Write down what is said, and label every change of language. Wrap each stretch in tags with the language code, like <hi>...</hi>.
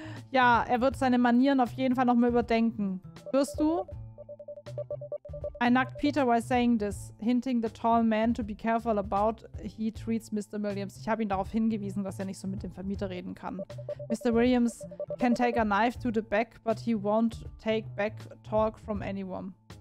<de>Ja, er wird seine Manieren auf jeden Fall nochmal überdenken. Hörst du?</de> <en>I knocked Peter while saying this, hinting the tall man to be careful about he treats Mr. Williams.</en> <de>Ich habe ihn darauf hingewiesen, dass er nicht so mit dem Vermieter reden kann.</de> <en>Mr. Williams can take a knife to the back, but he won't take back talk from anyone.</en>